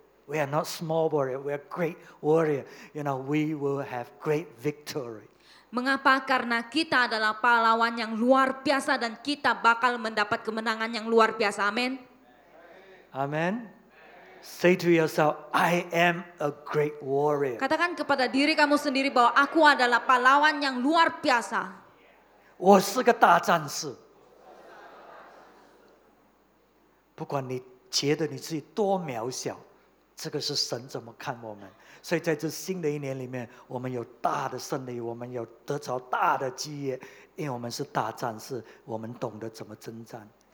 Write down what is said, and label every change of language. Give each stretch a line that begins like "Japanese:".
English: We are not small warrior, we are great warrior. You know, we will have great victory.
Indonesian: Mengapa? Karena kita adalah pahlawan yang luar biasa dan kita bakal mendapat kemenangan yang luar biasa. Amen.
English: Amen. Say to yourself, I am a great warrior.
Indonesian: Katakan kepada diri kamu sendiri bahwa aku adalah pahlawan yang luar biasa.
Chinese: 我是个大战士。不管你觉得你自己多渺小， 这个是神怎么看我们。所以在这新的一年里面，我们有大的胜利， 我们有得着大的基业， 因为我们是大战士， 我们懂得怎么征战。